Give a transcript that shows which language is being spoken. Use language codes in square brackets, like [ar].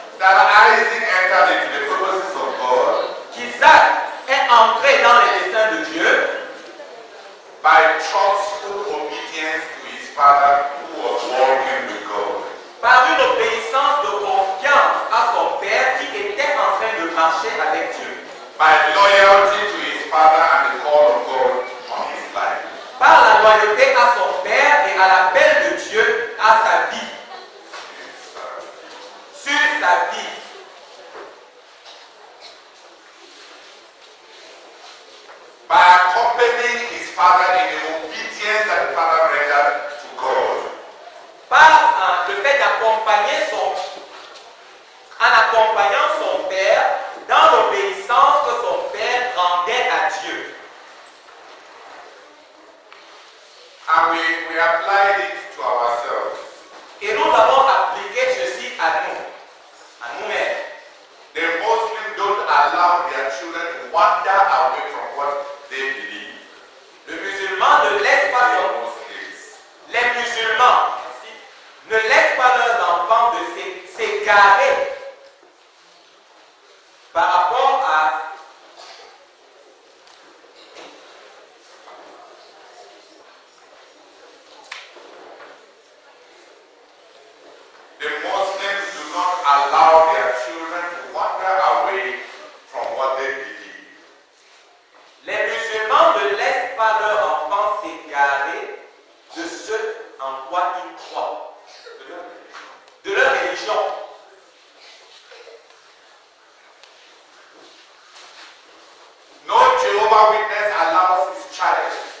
[en] that Isaac entered into the purposes of God. [fr] Qu'Isaac est entré dans les desseins de Dieu [en] by trustful obedience to his father who was walking with God. [fr] Par une obéissance de confiance à son père qui était en train de marcher avec Dieu. [en] By loyalty to his father and the call of God on his life. [fr] Par la loyauté à son père et à l'appel de Dieu à sa vie. Sur sa vie. [en] By accompanying his father in the obedience that the father rendered to God. [fr] Par le fait d'accompagner son, en accompagnant son père dans l'obéissance que son père rendait à Dieu. [en] And we applied it to ourselves. [fr] Et nous avons appliqué ceci à nous. [en] The Muslims don't allow their children to wander away from what they believe. [fr] Le musulman ne laisse pas leurs enfants. Les musulmans ne laissent pas leurs enfants de s'égarer par rapport à [en] the Muslims do not allow their children to wander away from what they believe. [fr] Les musulmans ne laissent pas leurs enfants s'égarer de ce en quoi ils croient. De leur religion. [en] No Jehovah Witness allows his child.